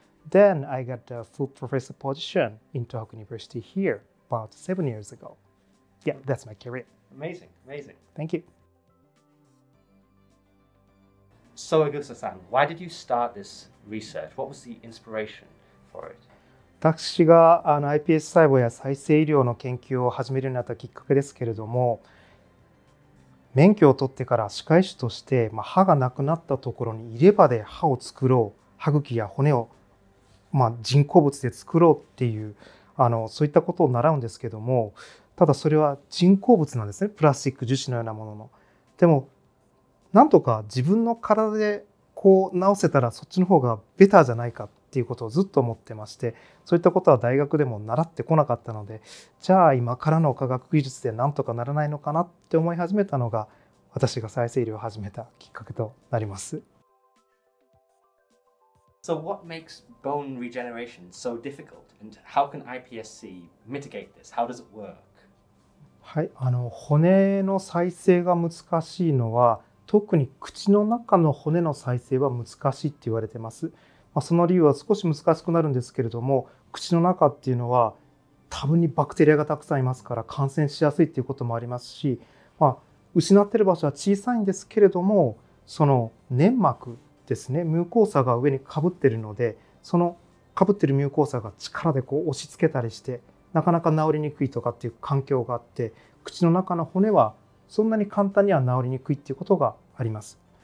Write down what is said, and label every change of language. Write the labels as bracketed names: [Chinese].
[English] Then I got a full professor position in Tohoku University here about 7 years ago. Yeah, that's my career. Amazing, amazing. Thank you. So Egusa-san, why did you start this research? What was the inspiration for it? [Japanese] 私が iPS 細胞や再生医療の研究を始めるようになったきっかけですけれども、免許を取ってから歯科医師として、歯がなくなったところに入れ歯で歯を作ろう、歯茎や骨を、人工物で作ろうっていう、そういったことを習うんですけども、ただそれは人工物なんですね、プラスチック樹脂のようなものの。でも、なんとか自分の体でこう治せたらそっちの方がベターじゃないか。っていうことをずっと思ってまして、そういったことは大学でも習ってこなかったので、じゃあ今からの科学技術でなんとかならないのかなって思い始めたのが、私が再生医療を始めたきっかけとなります。 [English] So what makes bone regeneration so difficult, and how can iPSC mitigate this? How does it work? [Japanese] はい、骨の再生が難しいのは、特に口の中の骨の再生は難しいって言われてます。その理由は少し難しくなるんですけれども、口の中っていうのは多分にバクテリアがたくさんいますから、感染しやすいっていうこともありますし、失っている場所は小さいんですけれども、その粘膜ですね、ミューコーサが上にかぶっているので、そのかぶっているミューコーサが力でこう押し付けたりして、なかなか治りにくいとかっていう環境があって、口の中の骨はそんなに簡単には治りにくいっていうことがあります。